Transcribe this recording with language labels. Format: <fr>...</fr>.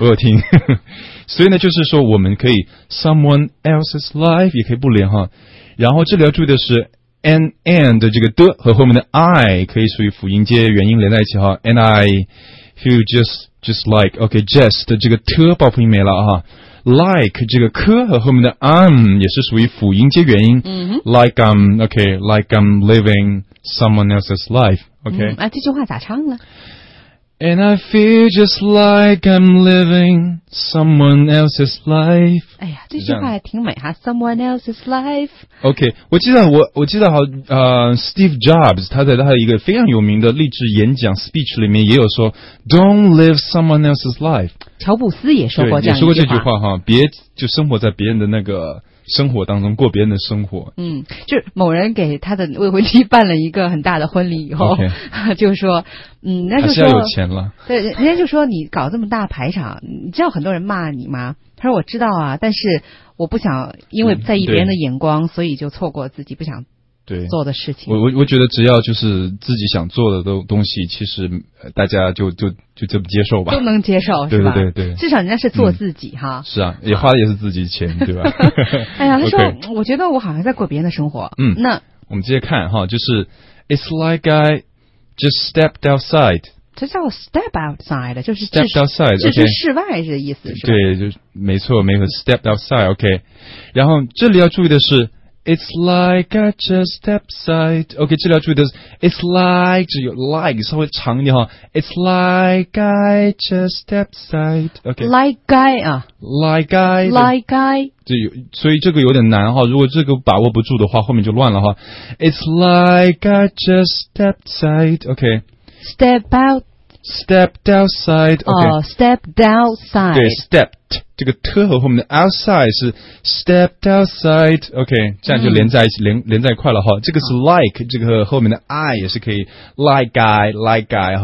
<zh>我有听所以呢就是说我们可以</zh> <en>someone else's life</en> <zh>也可以不连哈然后这里要注意的是 and 这个的和后面的 I 可以属于辅音阶元音连在一起哈</zh> <en>and I feel just like OK just</en> <zh>这个特爆破音没了哈 like 这个科和后面的 I'm 也是属于辅音接元音、嗯、</zh> <en>like I'm OK like I'm living someone else's life OK、</en> <zh>嗯、啊这句话咋唱呢</zh> <en>And I feel just like I'm living someone else's life</en> <zh>哎呀这句话还挺美哈</zh> <en>someone else's life</en> <zh>OK 我记得好Steve Jobs 他在他的一个非常有名的励志演讲 speech 里面也有说</zh> <en>Don't live someone else's life</en> <zh>乔布斯也说过这样一句话也说过这句话哈别就生活在别人的那个生活当中过别人的生活嗯就是某人给他的未婚妻办了一个很大的婚礼以后、</zh> <en>okay.</en> <zh>就说嗯那就说还是要有钱了对人家就说你搞这么大排场你知道很多人骂你吗他说我知道啊但是我不想因为在意别人的眼光、嗯、所以就错过自己不想对做的事情。我觉得只要就是自己想做的东西，其实大家就这么接受吧，都能接受，是吧？对对对，至少人家是做自己、嗯、哈。是啊，也花的也是自己钱，对吧？哎呀，他说、</zh> <en>okay ，</en> <zh>我觉得我好像在过别人的生活。嗯，那我们接着看哈，就是</zh> <en>It's like I just stepped outside。</en> <zh>这叫 step outside， 就是</zh> <en>step outside，</en> <zh>置身事外的意思。对，就没错，没错 ，</zh> <en>step outside，</en> <zh>OK、okay。然后这里要注意的是</zh> <en>，it's like I just step outside，OK、okay。</en> <zh>这里要注意的是</zh> <en>，it's like</en> <zh>只有</zh> <en>like</en> <zh>稍微长一点哈</zh> <en>，it's like I just step outside，OK、 okay。 like I 啊，like I，like I，</en> <zh>这有所以这个有点难哈，如果这个把握不住的话，后面就乱了哈。</zh> <en>it's like I just step outside，OK、okay。 Step out, stepped outside.</en> <zh>哦、</zh> <en>okay. ，stepped outside.</en> <zh>对 ，stepped 这个 t 和后面的 outside 是</zh> <en>stepped outside.</en> <zh>OK， 这样就连在一起、嗯、连在一块了哈。这个是 like，、哦、这个后面的 I 也是可以</zh> <en>like guy, like guy.</en>